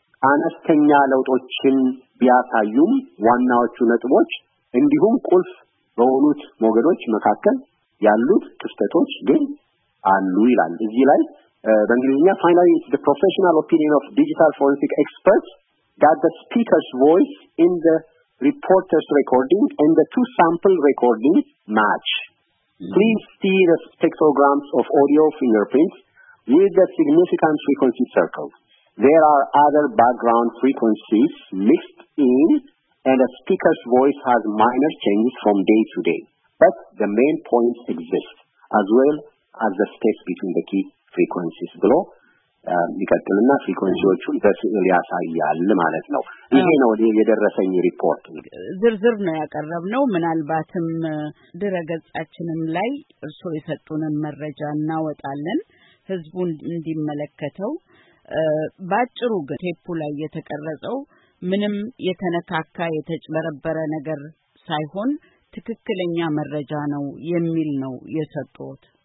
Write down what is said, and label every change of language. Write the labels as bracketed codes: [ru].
[am] አነስተኛ ለውጦችን ቢያሳዩም ዋናዎቹ ነጥቦች እንዲሁም ቁልፍ በሆኑት ሞገዶች መካከል ያሉት ክፍተቶች ግን አሉ ይላል። እዚህ ላይ በእንግሊዝኛ [en] finally it's the professional opinion of digital forensic experts that the speaker's voice in the reporter's recording and the two sample recordings match. Please see the spectrograms of audio fingerprints with the significant frequency circles. There are other background frequencies mixed in, and the speaker's voice has minor changes from day to day. But the main points exist, as well as the space between the key frequencies below. [am] ይከተልና ፍሪኩዌንሲዎቹን በስዕል ያሳያል ማለት ነው። ይሄ ነው የደረሰኝ ሪፖርት። ዝርዝር ነው ያቀረብነው ምናልባትም ድረገጻችንም ላይ እርሶ የሰጡንን መረጃ እናወጣለን ህዝቡ እንዲመለከተው። ባጭሩ ግን ቴፑ ላይ የተቀረጸው ምንም የተነካካ የተጨበረበረ ነገር ሳይሆን ትክክለኛ መረጃ ነው የሚል ነው የሰጡት።